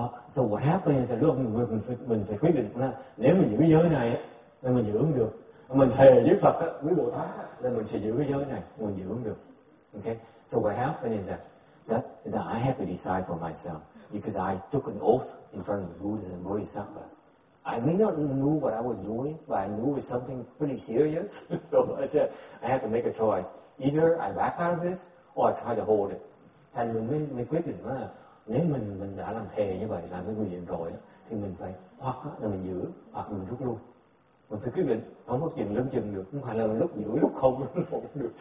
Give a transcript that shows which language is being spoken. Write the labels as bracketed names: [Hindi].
[English] So what happened is that look, [Vietnamese] mình phải quyết định là nếu mình giữ cái giới này là mình giữ không được. Mình thề với Phật á, với Bồ Tát là mình sẽ giữ cái giới này, mình giữ không được. [English] Okay. So what happened is that I had to decide for myself because I took an oath in front of Buddha and Bodhisattvas. I may not know what I was doing, but I knew it's something pretty serious. So I said I had to make a choice. Either I back out of this or I try to hold it. [Vietnamese] Thành mình quyết định là nếu mình đã làm thề như vậy, làm cái nguy hiểm rồi thì mình phải hoặc là mình giữ hoặc mình rút luôn. Mình phải quyết định, không có chừng lớn chừng được, không phải là lúc giữ lúc không được.